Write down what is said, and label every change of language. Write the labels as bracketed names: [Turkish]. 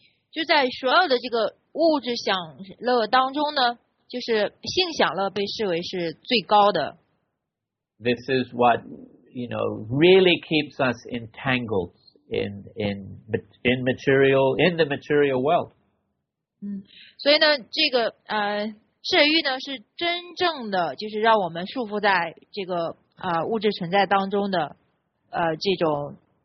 [Chinese] 就在所有的这个物质享乐当中呢，就是性享乐被视为是最高的。 [English] This is what, you know, really keeps us entangled in the material world. [Chinese] 所以呢，这个色欲呢，是真正的就是让我们束缚在这个物质存在当中的这种